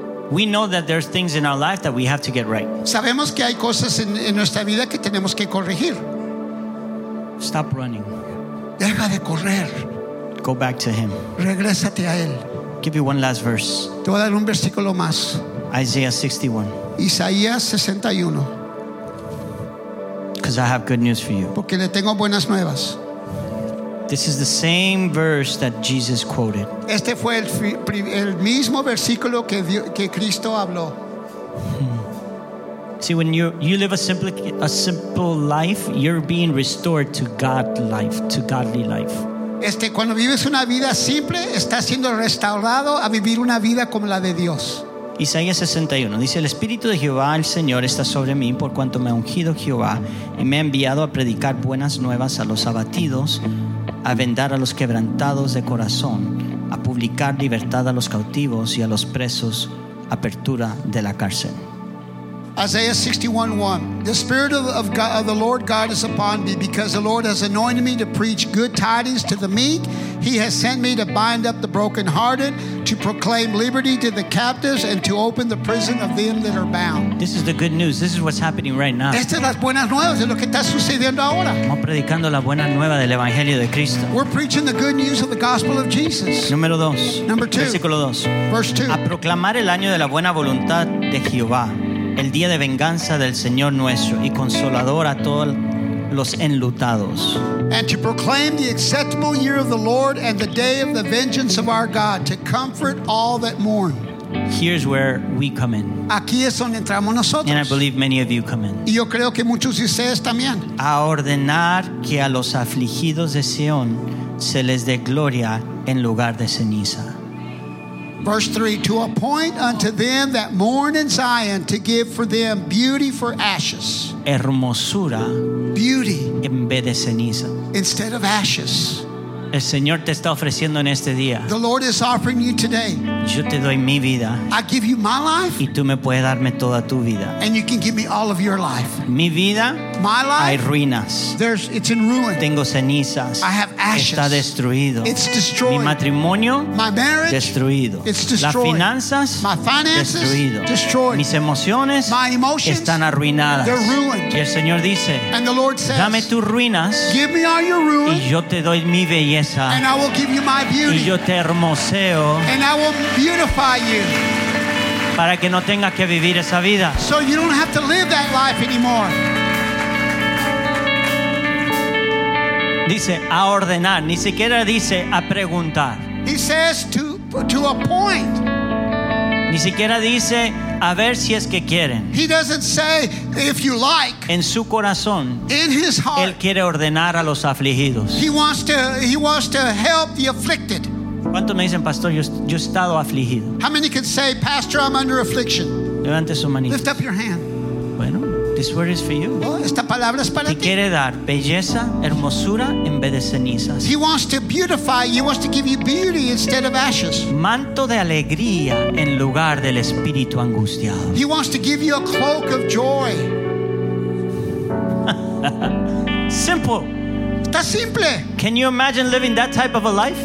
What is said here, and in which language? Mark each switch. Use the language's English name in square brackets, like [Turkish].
[English] We know that there's things in our life that we have to get right. [Spanish] Sabemos que hay cosas en nuestra vida que tenemos que corregir. [English] Stop running. [Spanish] Deja de correr. [English] Go back to him. [Spanish] Regrésate a él. [English] Give you one last verse. [Spanish] Te voy a dar un versículo más. [English] Isaiah 61. [Spanish] Isaías 61. [English] Because I have good news for you. [Spanish] Porque le tengo buenas nuevas. [English] This is the same verse that Jesus quoted. [Spanish] Este fue el mismo versículo que Cristo habló. [English] See, when you live a simple life, you're being restored to God life, to godly life. [Spanish] Este, cuando vives una vida simple, estás siendo restaurado a vivir una vida como la de Dios. Isaías 61 dice, el Espíritu de Jehová, el Señor, está sobre mí, por cuanto me ha ungido Jehová y me ha enviado a predicar buenas nuevas a los abatidos, a vendar a los quebrantados de corazón, a publicar libertad a los cautivos y a los presos apertura de la cárcel. [English] Isaiah 61:1. The Spirit of the Lord God is upon me, because the Lord has anointed me to preach good tidings to the meek. He has sent me to bind up the brokenhearted, to proclaim liberty to the captives, and to open the prison of them that are bound. This is the good news. This is what's happening right now. [Spanish] Estas son las buenas nuevas de lo que está sucediendo ahora. Estamos predicando la buena nueva del Evangelio de Cristo. [English] We're preaching the good news of the gospel of Jesus. [Spanish] Número dos. [English] Number two. [Spanish] Versículo dos. [English] Verse 2. [Spanish] A proclamar el año de la buena voluntad de Jehová, el día de venganza del Señor nuestro, y consolador a todos los enlutados. [English] And to proclaim the acceptable year of the Lord and the day of the vengeance of our God, to comfort all that mourn. Here's where we come in. [Spanish] Aquí es donde entramos nosotros. [English] And I believe many of you come in. [Spanish] Y yo creo que muchos de ustedes también. A ordenar que a los afligidos de Sion se les dé gloria en lugar de ceniza. [English] Verse 3, to appoint unto them that mourn in Zion to give for them beauty for ashes. [Spanish] Hermosura. [English] Beauty. [Spanish] En vez de ceniza. [English] Instead of ashes. [Spanish] El Señor te está ofreciendo en este día. [English] The Lord is offering you today. [Spanish] Yo te doy mi vida. [English] I give you my life. [Spanish] Y tú me puedes darme toda tu vida. [English] And you can give me all of your life. [Spanish] Mi vida. [English] My life. [Spanish] Hay ruinas. [English] It's in ruin. [Spanish] Tengo cenizas. [English] I have ashes. [Spanish] Está destruido. [English] It's destroyed. [Spanish] Mi matrimonio. [English] My marriage. [Spanish] Destruido. [English] It's destroyed. [Spanish] Las finanzas. [English] My finances. [Spanish] Destruido. [English] Destroyed. [Spanish] Mis emociones. [English] My emotions. [Spanish] Están arruinadas. [English] They're ruined. [Spanish] Y el Señor dice. [English] And the Lord says. [Spanish] Dame tus ruinas. [English] Give me all your ruins. [Spanish] Y yo te doy mi belleza. [English] And I will give you my beauty. [Spanish] Y yo te hermoseo. [English] And I will beautify you. [Spanish] Para que no tengas que vivir esa vida. [English] So you don't have to live that life anymore. [Spanish] Dice a ordenar, ni siquiera dice a preguntar. [English] He says to appoint. [Spanish] Ni siquiera dice a ver si es que quieren. [English] He doesn't say if you like. [Spanish] En su corazón, [English] in his heart, [Spanish] él quiere ordenar a los afligidos. [English] He wants to help the afflicted. [Spanish] ¿Cuántos me dicen, pastor, yo he estado afligido? [English] How many can say, pastor, I'm under affliction? [Spanish] Levante su manito. [English] Lift up your hand. [Spanish] Bueno, [English] this word is for you. [Spanish] Oh, esta palabra es para ti. Te quiere dar belleza, hermosura en vez de cenizas. [English] He wants to beautify you. He wants to give you beauty instead of ashes. [Spanish] Manto de alegría en lugar del espíritu angustiado. [English] He wants to give you a cloak of joy. Simple. [Spanish] Está simple. [English] Can you imagine living that type of a life?